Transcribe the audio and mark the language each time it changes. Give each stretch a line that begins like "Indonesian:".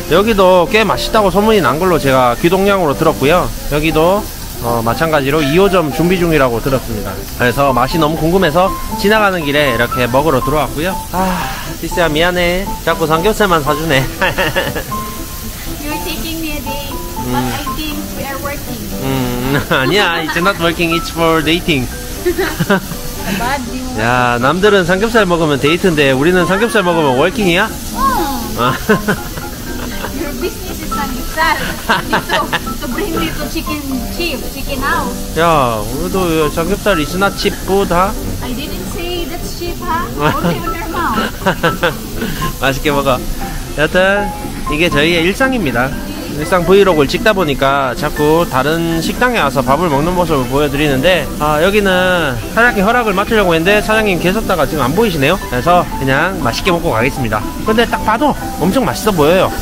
Korean: 여기도 꽤 맛있다고 소문이 난 걸로 제가 귀동량으로 들었고요. 여기도 마찬가지로 2호점 준비 중이라고 들었습니다. 그래서 맛이 너무 궁금해서 지나가는 길에 이렇게 먹으러 들어왔고요. 아 디스야 미안해 자꾸 삼겹살만 사주네.
English: You're taking me a day. But I think we are working.
Korean: 아니야,
English: it's not working, it's for dating.
Korean: 야, 남들은 삼겹살 먹으면 데이트인데 우리는 삼겹살 먹으면 워킹이야?
English: Your business is 삼겹살. To bring me to chicken chip, chicken house.
Korean: 야, 우리도
English: 삼겹살 is not cheap food, huh? I didn't say that's cheap, huh? Only on your mouth.
Korean: 맛있게 먹어. 여튼 이게 저희의 일상입니다. 일상 브이로그를 찍다 보니까 자꾸 다른 식당에 와서 밥을 먹는 모습을 보여드리는데 여기는 사장님 허락을 맞추려고 했는데 사장님 계셨다가 지금 안 보이시네요. 그래서 그냥 맛있게 먹고 가겠습니다. 근데 딱 봐도 엄청 맛있어 보여요.